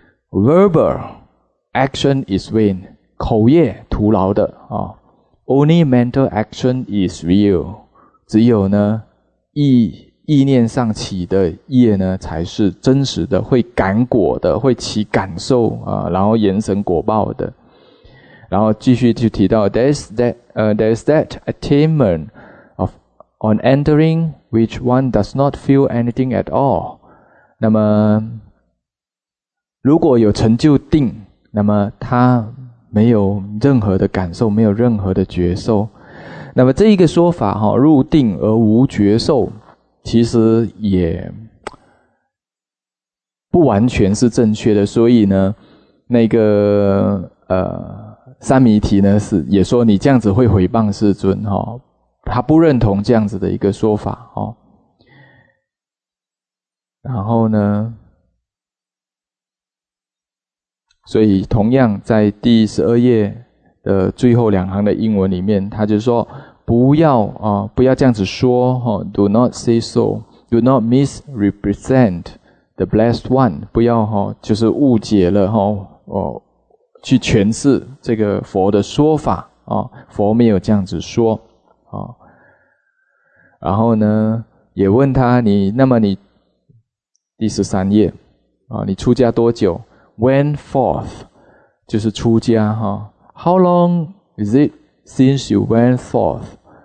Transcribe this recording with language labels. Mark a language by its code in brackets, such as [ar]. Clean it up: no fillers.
[en] verbal action is vain， [zh] 口业徒劳的、 [en] only mental action is real， [zh] 只有呢意念上起的业呢才是真实的，会感果的，会起感受、然后延伸果报的。然后继续就提到 [en] there is that attainment of on entering which one does not feel anything at all。 [zh] 那么如果有成就定，那么他没有任何的感受，没有任何的觉受。那么这一个说法、入定而无觉受，其实也不完全是正确的。所以呢那个三弥提呢是也说你这样子会毁谤世尊、他不认同这样子的一个说法、然后呢所以同样在第十二页的最后两行的英文里面，他就说不要这样子说、 [en] Do not say so. Do not misrepresent the blessed one. [zh] 不要、就是误解了、去诠释这个佛的说法、佛没有这样子说、然后呢也问他你那么你第十三页、你出家多久 went forth 就是出家、 [en] How long is it since you went forth？